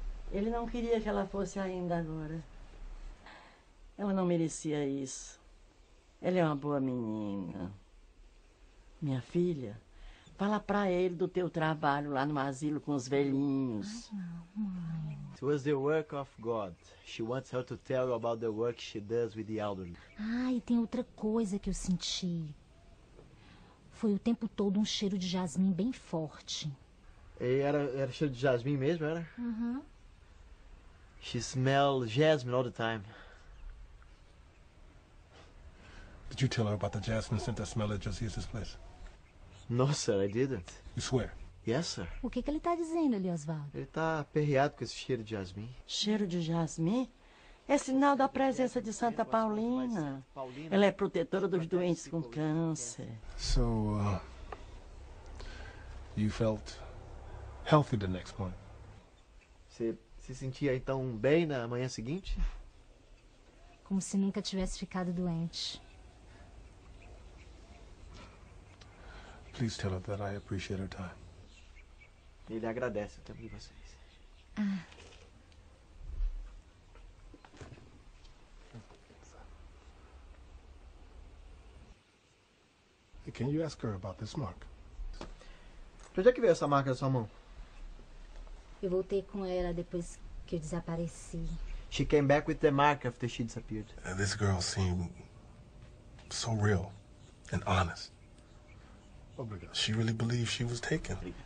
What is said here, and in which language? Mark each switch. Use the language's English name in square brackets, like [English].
[Portuguese] Ele não queria que ela fosse ainda agora. Ela não merecia isso. Ela é uma boa menina. Minha filha, fala pra ele do teu trabalho lá no asilo com os velhinhos. Ai, não, mãe. [English] It was the work of God. She wants her to tell you about the work she does with the elderly. [Portuguese] Ah, e tem outra coisa que eu senti. Foi o tempo todo um cheiro de jasmim bem forte. Era cheiro de jasmim mesmo, era? Uh-huh. [English] She smells jasmine all the time. Did you tell her about the jasmine scent that smelled at Josias's place? No, sir, I didn't. You swear? Yes, sir. [Portuguese] O que ele tá dizendo ali, Oswaldo? Ele tá aperreado com esse cheiro de jasmim. Cheiro de jasmim? É sinal da presença de Santa Paulina. Ela é protetora dos doentes com câncer. [English] So, you felt healthy the next morning? [Portuguese] Você se sentia então bem na manhã seguinte? Como se nunca tivesse ficado doente. [English] Please tell her that I appreciate her time. [Portuguese] Ele agradece o tempo de vocês. Ah. [English] Can you ask her about this mark? [Portuguese] De onde é que veio essa marca na sua mão? Eu voltei com ela depois que eu desapareci. [English] She came back with the mark after she disappeared. This girl seemed so real and honest. She really believed she was taken.